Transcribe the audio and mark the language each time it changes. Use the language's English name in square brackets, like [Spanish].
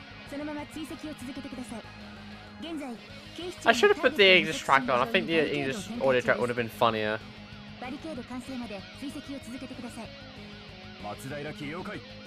[Japanese] そのまま追跡を続けてください。現在、警視庁。 [English] I should have put the English track on. I think the English audio track would have been funnier. [Japanese] バリケード完成まで追跡を続けてください。松平記了解。